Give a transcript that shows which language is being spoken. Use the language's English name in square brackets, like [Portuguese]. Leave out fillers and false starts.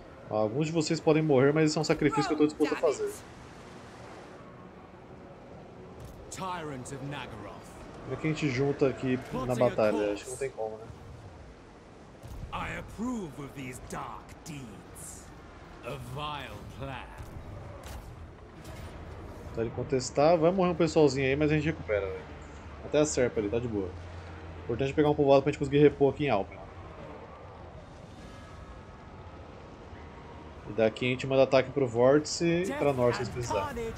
[Portuguese] Alguns de vocês podem morrer, mas isso é um sacrifício que eu estou disposto a fazer. [English] Tyrant of Naggaroth. [Portuguese] Como é que a gente junta aqui na batalha? Acho que não tem como, né? [English] I approve of these dark deeds. A vile plan. [Portuguese] Tá, ele contestar, vai morrer um pessoalzinho aí, mas a gente recupera, velho. Até a Serpa ali, tá de boa. Importante pegar um povoado pra gente conseguir repor aqui em Alpen. E daqui a gente manda ataque pro Vórtice e pra Norte se eles precisar.